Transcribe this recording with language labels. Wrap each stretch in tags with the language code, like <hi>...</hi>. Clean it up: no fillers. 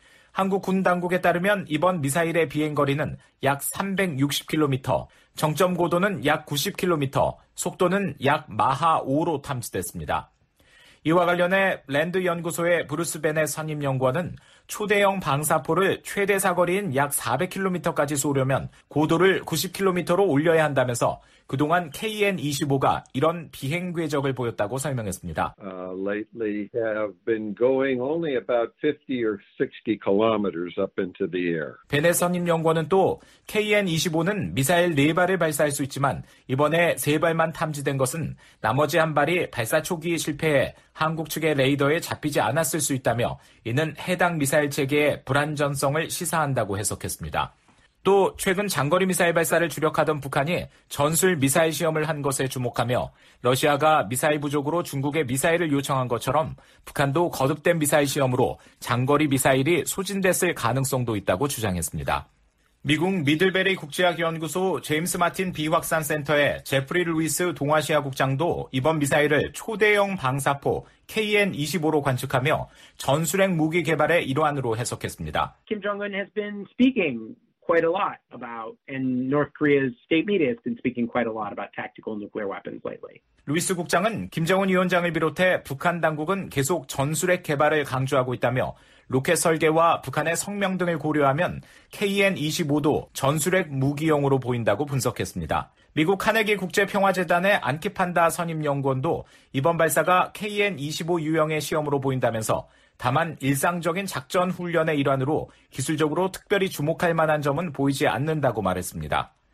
<ko>한국 군 당국에 따르면 이번 미사일의 비행거리는 약 360km, 정점 고도는 약 90km, 속도는 약 마하 5로 탐지됐습니다. 이와 관련해 랜드 연구소의 브루스 벤의 선임 연구원은 초대형 방사포를 최대 사거리인 약 400km까지 쏘려면 고도를 90km로 올려야 한다면서 그동안 KN-25가 이런 비행 궤적을 보였다고 설명했습니다.</ko> <en>Lately have been going only about 50 or 60 kilometers up into the air.</en> <ko>벤의 선임 연구원은 또 KN-25는 미사일 네 발을 발사할 수 있지만 이번에 세 발만 탐지된 것은 나머지 한 발이 발사 초기 실패해 한국 측의 레이더에 잡히지 않았을 수 있다며 이는 해당 미사일 체계의 불안전성을 시사한다고 해석했습니다. 또 최근 장거리 미사일 발사를 주력하던 북한이 전술 미사일 시험을 한 것에 주목하며 러시아가 미사일 부족으로 중국에 미사일을 요청한 것처럼 북한도 거듭된 미사일 시험으로 장거리 미사일이 소진됐을 가능성도 있다고 주장했습니다. 미국 미들베리 국제학연구소 제임스 마틴 비확산 센터의 제프리 루이스 동아시아 국장도 이번 미사일을 초대형 방사포 KN-25로 관측하며 전술핵 무기 개발의 일환으로 해석했습니다.</ko> <en>김정은 has been speaking quite a lot about, and North Korea's state media has been speaking quite a lot about tactical nuclear weapons lately.</en> <ko>루이스 국장은 김정은 위원장을 비롯해 북한 당국은 계속 전술핵 개발을 강조하고 있다며 로켓 설계와 북한의 성명 등을 고려하면 KN-25도 전술핵 무기용으로 보인다고 분석했습니다. 미국 카네기 국제평화재단의 안키판다 선임 연구원도 이번 발사가 KN-25 유형의 시험으로 보인다면서 다만 일상적인 작전 훈련의 일환으로 기술적으로 특별히 주목할 만한 점은 보이지 않는다고 말했습니다.</ko>